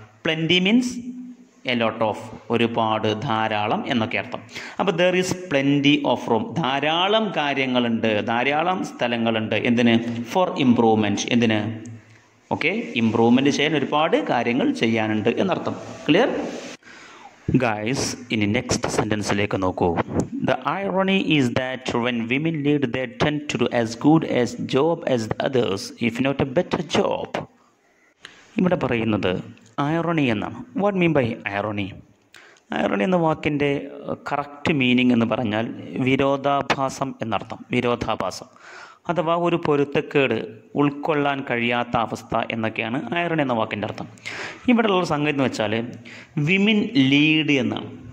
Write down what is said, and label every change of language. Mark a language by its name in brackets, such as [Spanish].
[English] plenty means a lot of, [Malayalam] ഒരുപാട്, ധാരാളം എന്നൊക്കെ അർത്ഥം. അപ്പോൾ [English] there is plenty of room, [Malayalam] ധാരാളം കാര്യങ്ങളുണ്ട്, ധാരാളം സ്ഥലങ്ങളുണ്ട്. എന്തിന്? [English] For improvement. [Malayalam] എന്തിന്? ഓക്കെ, ഇംപ്രൂവ്മെൻറ്റ് ചെയ്യാൻ ഒരുപാട് കാര്യങ്ങൾ ചെയ്യാനുണ്ട് എന്നർത്ഥം. Clear? [English] Guys, in the next sentence, like a noko. The irony is that when women lead, they tend to do as good a job as the others, if not a better job. [Malayalam] ഇവിടെ പറയുന്നത് ഐറോണി എന്നാണ്. [English] What mean by irony? [Malayalam] ഐറോണി എന്ന വാക്കിൻ്റെ correct meaning എന്ന് പറഞ്ഞാൽ വിരോധാഭാസം എന്നർത്ഥം. വിരോധാഭാസം അഥവാ ഒരു പൊരുത്തക്കേട്, ഉൾക്കൊള്ളാൻ കഴിയാത്ത അവസ്ഥ എന്നൊക്കെയാണ് ഐറോണി എന്ന വാക്കിൻ്റെ അർത്ഥം. ഇവിടെ ഉള്ള സംഗതി എന്ന് വെച്ചാൽ [English] women lead [Malayalam] എന്നാണ്.